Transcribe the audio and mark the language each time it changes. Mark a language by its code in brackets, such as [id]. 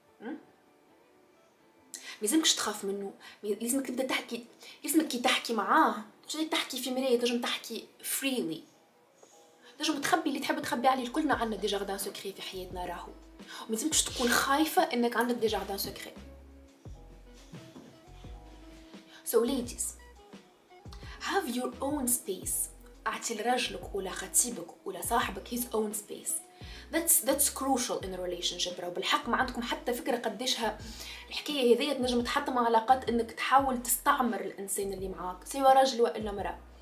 [ar] ما لازمكش تخاف منه، لازمك تبدا تحكي، لازمك كي تحكي معاه تجي تحكي في مرايه تنجم تحكي فريلي، تنجم تخبي اللي تحب تخبي عليه، كلنا عندنا ديجا غدان سكري في حياتنا راهو، وما لازمكش تكون خايفه انك عندك ديجا غدان سكري. [en] So ladies have your own space، [ar] اعطي لراجلك ولا خطيبك ولا صاحبك [en] his own space، that's crucial in a relationship. [ar] راه بالحق ما عندكم حتى فكره قديشها الحكايه هذيا تنجم تحطم علاقات، انك تحاول تستعمر الانسان اللي معاك سواء راجل والا مراه.